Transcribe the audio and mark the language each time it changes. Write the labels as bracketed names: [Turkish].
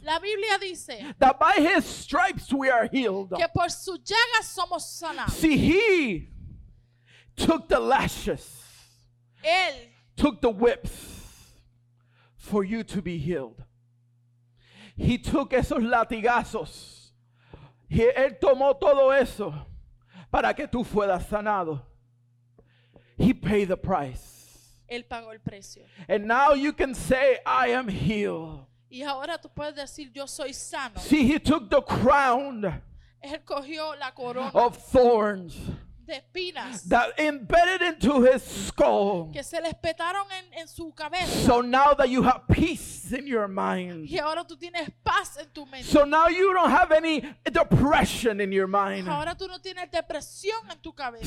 [Spanish] La Biblia dice. [English] That by his stripes we are healed. [Spanish] Que por sus llagas somos sanados. [English] See, he took the lashes. [Spanish] Él [English] took the whips for you to be healed. He took [Spanish] esos latigazos. Y él tomó todo eso para que tú fueras sanado. [English] He paid the price. [Spanish] Él pagó el precio. [English] And now you can say, I am healed. [Spanish] Y ahora tú puedes decir, yo soy sano. [English] See, he took the crown. [Spanish] Él cogió la corona. [English] Of thorns. [Spanish] De espinas. [English] That embedded into his skull. [Spanish] Que se les petaron en su cabeza. [English] So now that you have peace in your mind. [Spanish] Y ahora tú tienes paz en tu mente. [English] So now you don't have any depression in your mind. [Spanish] Ahora tú no tienes depresión en tu cabeza.